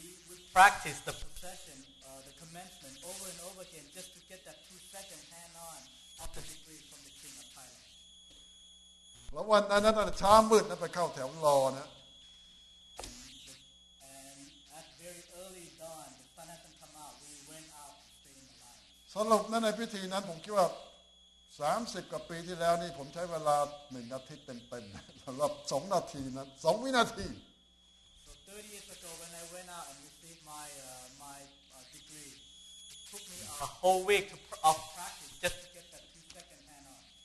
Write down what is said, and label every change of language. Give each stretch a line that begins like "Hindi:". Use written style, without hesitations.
English: we practice the procession the commencement over and over again just to get that 2 second hand on of the degree from the king of Thailand
Thai: แล้ววันนั้นนะช้ามืดนะไปเข้าแถวรอนะ
English: and at very early dawn the sun hasn't come out we went out to stay in the line
Thai: สำหรับนั้นในพิธีนั้นผมคิดว่า30กว่าปีที่แล้วนี่ผมใช้เวลา1นาทีเต็มๆสำหรับ2นาทีนั้น2วินาที
English: So 30 years ago when I went out and received my degree it took me a whole week to of practice just to get that 2 second hand on